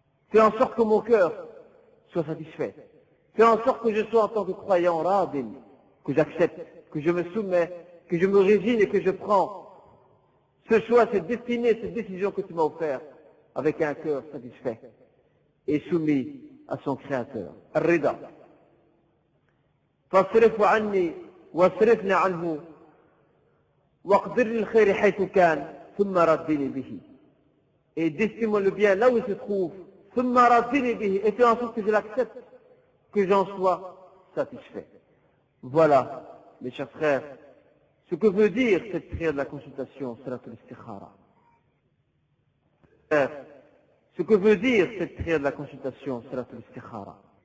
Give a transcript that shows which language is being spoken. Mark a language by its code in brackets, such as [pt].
[fr] Fais en sorte que mon cœur soit satisfait. Fais en sorte que je sois en tant que croyant radin, que j'accepte, que je me soumets, que je me résigne et que je prends ce choix, cette destinée, cette décision que tu m'as offert avec un cœur satisfait et soumis à son Créateur. Ar-Rida. [ar] فَصْرِفْ عَنِّي وَصْرِفْنِ عَنْهُ وَقْدِرْ لِلْخَيْرِ حَيْثُ كَانَ ثُمَّ رَدِّنِي بِهِ, [fr] et destine-moi le bien là où il se trouve. [ar] ثُمَّ رَدِّنِي بِهِ, [fr] et fais en sorte que je l'accepte, que j'en sois satisfait. Voilà, mes chers frères, ce que veut dire cette prière de la consultation, salat al-istikhara. Ce que veut dire cette prière de la consultation, salat al-istikhara.